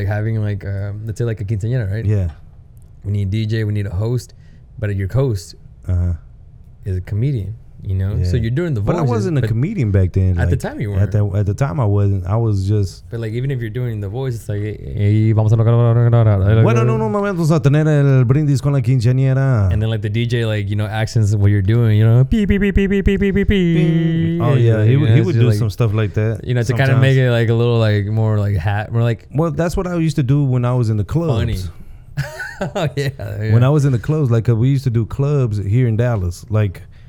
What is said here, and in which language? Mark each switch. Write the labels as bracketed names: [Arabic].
[English] Like having like, let's say like a quinceañera, right? Yeah. We need a DJ, we need a host, but your host is a comedian. You know, yeah. So you're doing the voices. But I wasn't a comedian back then. At the time you weren't. At the time I wasn't. I was just. But like, even if you're doing the voice, it's like, hey, [Spanish] vamos a tocar. Bueno, en unos momentos a tener el brindis con la quinceañera. [English] And then like the DJ, like, you know, accents what you're doing, you know, pee, pee, pee, pee, pee, pee, pee, pee. Oh yeah, he would do like, some stuff like that. You know, to sometimes kind of make it like a little like more like hat. More like. Well, that's what I used to do when I was in the clubs. Funny. Oh yeah. When I was in the clubs, like, cause we used to do clubs here in Dallas, like.